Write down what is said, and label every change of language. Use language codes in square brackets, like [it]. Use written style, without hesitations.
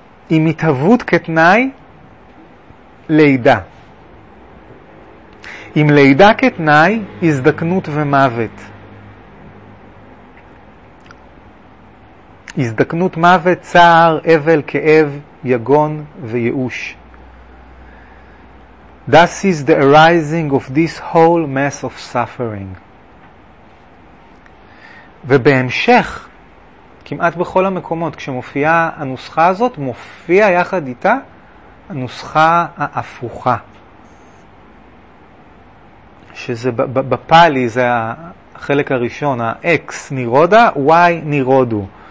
[he] עם התהוות כתנאי, לידה. עם לידה כתנאי, הזדקנות ומוות. הזדקנות, מוות, צער, אבל, כאב, יגון וייאוש. [en] Thus is the arising of this whole mass of suffering. [he] ובהמשך, כמעט בכל המקומות, כשמופיעה הנוסחה הזאת, מופיע יחד איתה הנוסחה ההפוכה. שזה בפאלי, זה החלק הראשון, ה-X נירודה, Y נירודו.